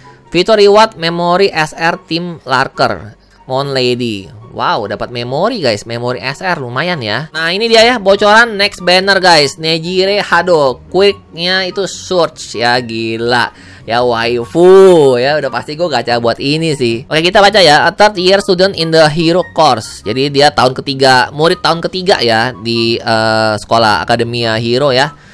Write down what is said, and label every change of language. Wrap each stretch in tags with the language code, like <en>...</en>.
<id>Fitur reward memory SR Team Larker Moon Lady. Wow, dapat memory guys, memory SR lumayan ya. Nah ini dia ya bocoran next banner guys, Nejire Hado. Quicknya itu search ya, gila ya waifu ya, udah pasti gue gacha buat ini sih. Oke kita baca ya,</id> <en>a third year student in the hero course.</en> <id>Jadi dia tahun ketiga, murid tahun ketiga ya di sekolah akademia hero ya.</id>